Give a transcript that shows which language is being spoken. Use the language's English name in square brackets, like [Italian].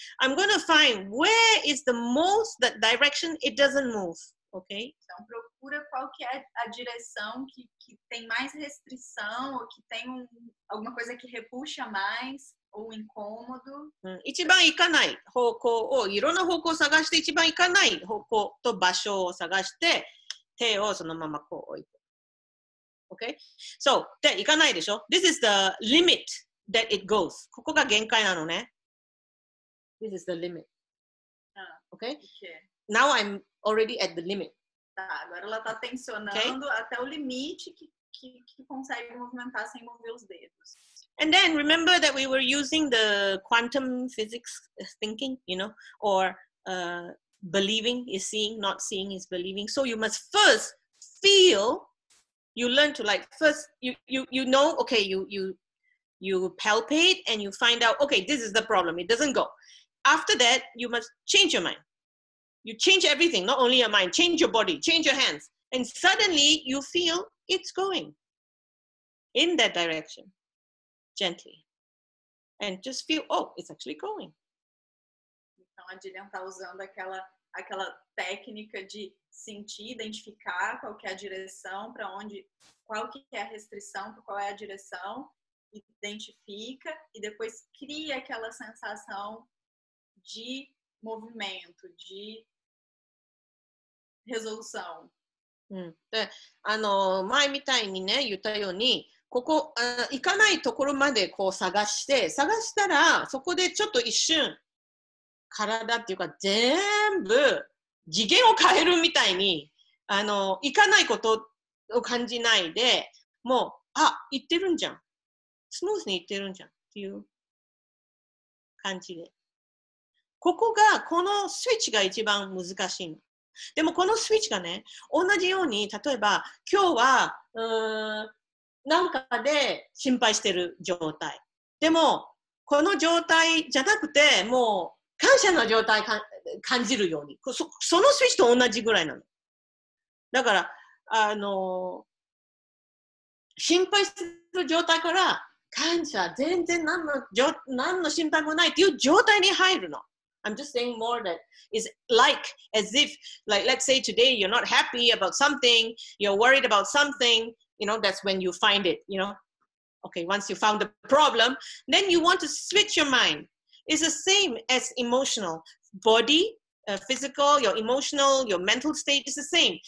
[English] I'm going to find where is the most that direction it doesn't move. Okay? [Portuguese] Então procura qual que é a direção que tem mais restrição ou que tem alguma coisa que repuxa mais ou incômodo. [Japanese] 一番行かない方向をいろんな方向を探して一番行かない方向と場所を探して手をそのままこう置いて。 [English] Okay? [Japanese] So, で、行かないでしょ? [English] This is the limit that it goes. [Japanese] ここが限界なのね。 [English] This is the limit. Okay? Okay. Now I'm already at the limit. [Portuguese] Tá, agora ela tá tensionando okay? até o limite que consegue movimentar sem mover os dedos. [English] And then, remember that we were using the quantum physics thinking, you know, or believing is seeing, not seeing is believing. So you must first feel... You learn to like first you know okay you palpate and you find out okay this is the problem it doesn't go. After that you must change your mind. You change everything, not only your mind, change your body, change your hands, and suddenly you feel it's going in that direction, gently, and just feel oh it's actually going. [Portuguese] Então a Dilian tá usando aquela técnica de sentir, identificar qual que é a direção, para onde, qual que é a restrição, qual é a direção, identifica e depois cria aquela sensação de movimento, de resolução. [Japanese] É, あの、前みたいにね、言ったように、ここ、行かないところまでこう探して、探したら、そこでちょっと一瞬、体っていうか、全部、次元を変えるみたいに、あの、行かないことを感じないで、もう、あ、行ってるんじゃん。スムーズに行ってるんじゃん。っていう感じで。ここが、このスイッチが一番難しいの。でもこのスイッチがね、同じように、例えば、今日は、なんかで心配してる状態。でも、この状態じゃなくて、もう、感謝の状態感じるように。そのスイッチと同じぐらいなの。だから、心配する状態から、感謝、全然何の心配もないっていう状態に入るの。 [English] I'm just saying more that is like, as if, like, let's say today you're not happy about something, you're worried about something, you know, that's when you find it, you know. Okay, once you found the problem, then you want to switch your mind. It's the same as emotional body, physical, your emotional, your mental state is the same.